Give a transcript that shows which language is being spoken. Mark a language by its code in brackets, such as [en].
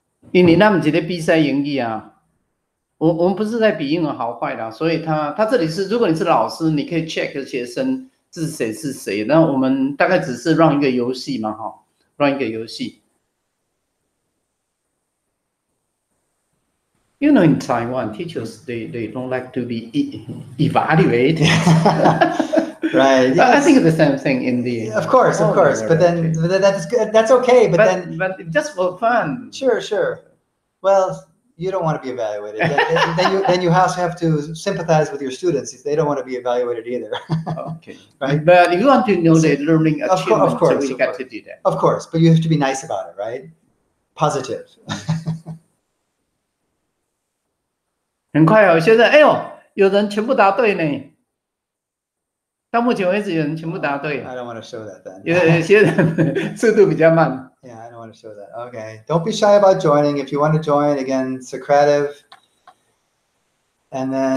[zh] 因为咱们是咧比赛英语啊，我们不是在比英文好坏啦，所以他这里是，如果你是老师，你可以 check 学生是谁是谁，那我们大概只是 run 一个游戏嘛，哈 ，run 一个游戏。 [en] You know, in Taiwan, teachers they don't like to be evaluated, right? Yes. I think the same thing in the of course. But then that's okay. But then just for fun. Sure. Well, you don't want to be evaluated. then you also have to sympathize with your students if they don't want to be evaluated either. Okay. Right. But if you want to know the learning achievement, of course, to do that. Of course, but you have to be nice about it, right? Positive. [zh] 很快哦，现在哎呦，有人全部答对呢。到目前为止，有人全部答对。 [en] I don't want to show that then. [zh] 有些人速度比较慢。 [en] Yeah, I don't want to show that. Okay, don't be shy about joining. If you want to join again, Socrative. And then